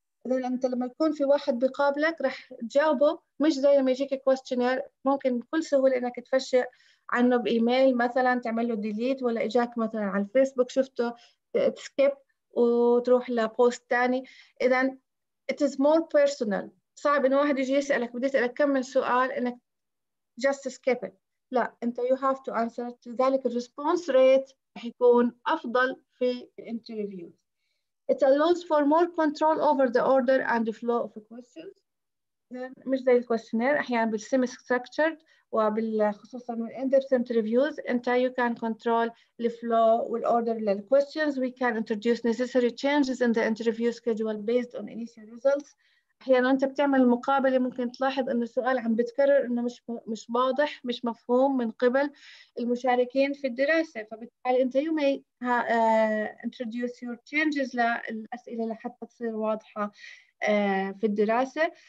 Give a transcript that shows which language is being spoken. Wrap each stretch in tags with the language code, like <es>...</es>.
<ar>إذا أنت لما يكون في واحد بقابلك رح تجاوبه مش زي لما يجيك questionnaire ممكن بكل سهولة إنك تفشل عنه بإيميل مثلا تعمل له delete ولا إجاك مثلا على الفيسبوك شفته تسكيب وتروح لبوست تاني. إذا</ar> <en>it is more personal.</en> <ar>صعب إنه واحد يجي يسألك بدي أسألك كم من سؤال إنك</ar> <en>just skip it.</en> <ar>لا أنت</ar> <en>you have to answer it.</en> <ar>لذلك</ar> <en>the response rate</en> <ar>هيكون أفضل في</ar> <en>interviews. It allows for more control over the order and the flow of questions.</en> <ar>مش زي الكويستيونير أحيانا بالسيمي ستراكتشرد وبالخصوصا بالاندبث انترفيوز أنت</ar> <en>you can control the flow</en> <ar>والorder للquestions.</ar> <en>We can introduce necessary changes in the interview schedule based on initial results.</en> <ar>أحيانا أنت بتعمل المقابلة ممكن تلاحظ إنه السؤال عم بتكرر إنه مش واضح مش مفهوم من قبل المشاركين في الدراسة، فبالتالي أنت</ar> <en>you may introduce your changes</en> <ar>للأسئلة لحتى تصير واضحة في الدراسة.</ar>